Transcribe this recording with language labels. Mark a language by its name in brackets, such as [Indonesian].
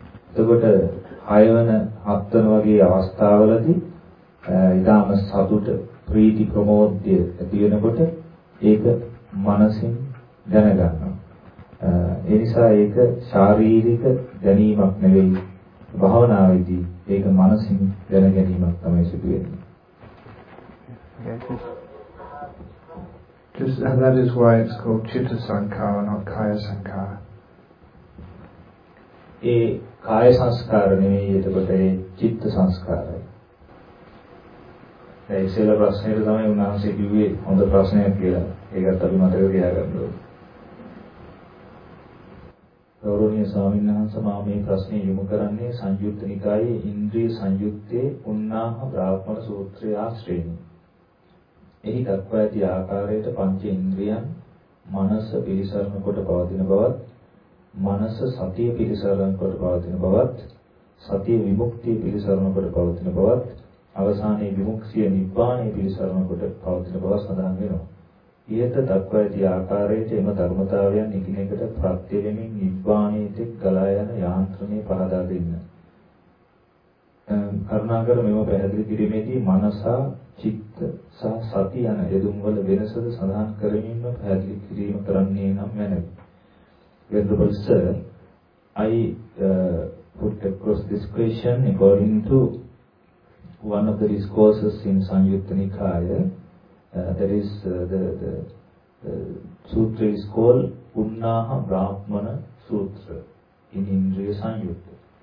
[Sinhala] එතකොට 6 වන 7 වන වගේ අවස්ථාවලදී ඊටම සතුට, ප්‍රීති, ප්‍රමෝද්‍ය ඇති වෙනකොට ඒක මනසින් දැනගන්නවා. ඒ නිසා ඒක ශාරීරික දැනීමක් නෙවෙයි, භවනාවේදී ඒක මනසින් දැන ගැනීමක් තමයි සිදු වෙන්නේ. [English] Just and that is why it's called citta sankhara, not kaya sankhara. [Sinhala] ඒ කාය සංස්කාර නෙවෙයි, එතකොට ඒ චිත්ත සංස්කාරයි. ඒ සියලු ප්‍රශ්නෙට තමයි උන්වහන්සේ කිව්වේ හොඳ ප්‍රශ්නයක් කියලා. ඒකත් අපි මතක තියාගන්න ඕනේ. ගෞරවනීය ස්වාමීන් වහන්ස, මා මේ ප්‍රශ්නේ යොමු කරන්නේ සංයුක්ත නිකායේ ඉන්ද්‍රිය සංයුත්තේ උන්නාහ බ්‍රාහ්මණ සූත්‍රය ආශ්‍රයෙන්. එහි දක්වා ඇති ආකාරයට පංච ඉන්ද්‍රියන් මනස පිරිසරණ කොට පවතින බවත්, මනස සතිය පිරිසරණ කොට පවතින බවත්, සතිය විමුක්තිය පිරිසරණ කොට පවතින බවත්, අවසානයේ විමුක්තිය නිබ්බාණය පිරිසරණ කොට පවතින බව සඳහන් වෙනවා. ඊට දක්වා ඇති ආකාරයට එම ධර්මතාවයන් එකිනෙකට ප්‍රත්‍ය වෙමින් නිබ්බාණයේ ගලා යන යාන්ත්‍රණය පහදා දෙන්න. කරුණාකර මෙව පැහැදිලි කිරීමේදී මනස, චිත්ත සහ සති යන යෙදුම්වල වෙනසද සඳහන් කරමින්ම පැහැදිලි කිරීම කරන්නේ නම් වෙනයි. [English] Venerable sir, I put across this question according to one of the discourses in Sanyutta Nikaya. That is the sutra is called Unnaha Brahmana Sutra in Indriya Sanyutta.